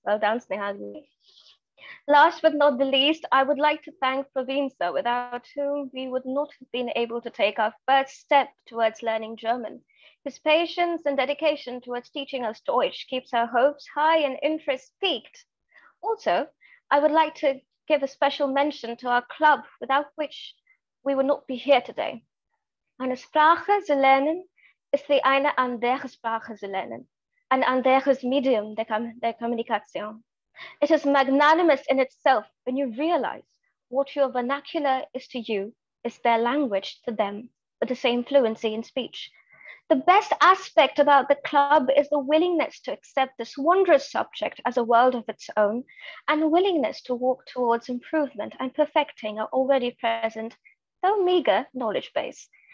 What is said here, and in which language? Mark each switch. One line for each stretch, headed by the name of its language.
English: Well done, Snehagni. Last but not the least, I would like to thank Praveen, sir, without whom we would not have been able to take our first step towards learning German. His patience and dedication towards teaching us Deutsch keeps our hopes high and interest peaked. Also, I would like to give a special mention to our club, without which we would not be here today.
German: Eine Sprache zu lernen ist wie eine andere Sprache zu lernen, ein anderes Medium der Kommunikation.
English: It is magnanimous in itself when you realize what your vernacular is to you is their language to them, with the same fluency in speech. The best aspect about the club is the willingness to accept this wondrous subject as a world of its own, and willingness to walk towards improvement and perfecting our already present, though meager, knowledge base.